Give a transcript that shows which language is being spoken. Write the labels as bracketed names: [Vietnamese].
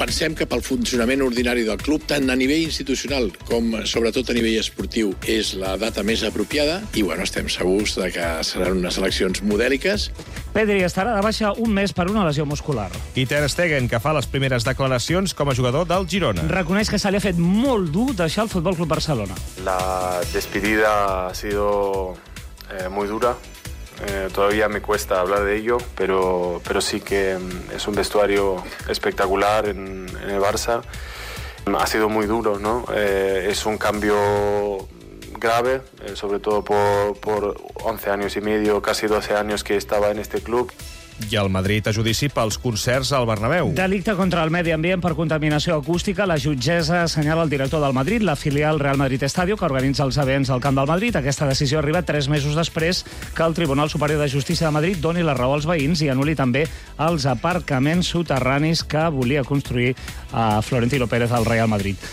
[Catalan] Pensem que pel funcionament ordinari del club, tant a nivell institucional com sobretot a nivell esportiu, és la data més apropiada i, bueno, estem segurs de que seran unes eleccions modèliques. Pedri estarà de baixa un mes per una lesió muscular. I Ter Stegen, que fa les primeres declaracions com a jugador del Girona. Reconeix que se li ha fet molt dur deixar el Futbol Club Barcelona. [Spanish] La despedida ha sido muy dura. Todavía me cuesta hablar de ello, pero sí que es un vestuario espectacular en el Barça. Ha sido muy duro, ¿no? Es un cambio grave, sobre todo por 11 años y medio, casi 12 años que estaba en este club. [Catalan] I el Madrid a judici pels concerts al Bernabéu. Delicte contra el medi ambient per contaminació acústica. La jutgessa assenyala el director del Madrid, la filial Real Madrid Estadio, que organitza els events al Camp del Madrid. Aquesta decisió arriba 3 mesos després que el Tribunal Superior de Justícia de Madrid doni la raó als veïns i anuli també els aparcaments soterranis que volia construir a Florentino Pérez al Real Madrid.